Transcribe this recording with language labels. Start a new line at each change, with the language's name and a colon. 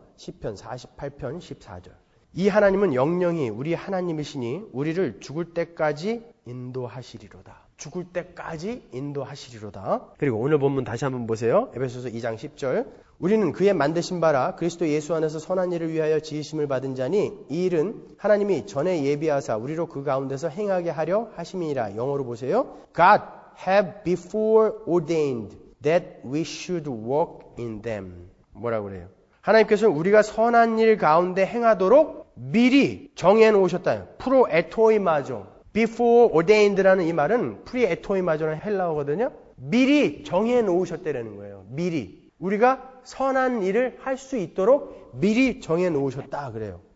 Korean: 시편 48편 14절 이 하나님은 영영히 우리 하나님이시니 우리를 죽을 때까지 인도하시리로다. 죽을 때까지 인도하시리로다. 그리고 오늘 본문 다시 한번 보세요. 에베소서 2장 10절 우리는 그의 만드신 바라 그리스도 예수 안에서 선한 일을 위하여 지으심을 받은 자니 이 일은 하나님이 전에 예비하사 우리로 그 가운데서 행하게 하려 하심이니라. 영어로 보세요.
English: God have before ordained that we should walk in them.
Korean: 뭐라고 그래요? 하나님께서는 우리가 선한 일 가운데 행하도록 미리 정해놓으셨다. 프로에토이마죠.
English: Before ordained
Korean: 라는 이 말은 pre-etoimazo라는 헬라어거든요. 미리 정해놓으셨다라는 거예요. 미리. 우리가 선한 일을 할 수 있도록 미리 정해놓으셨다 그래요.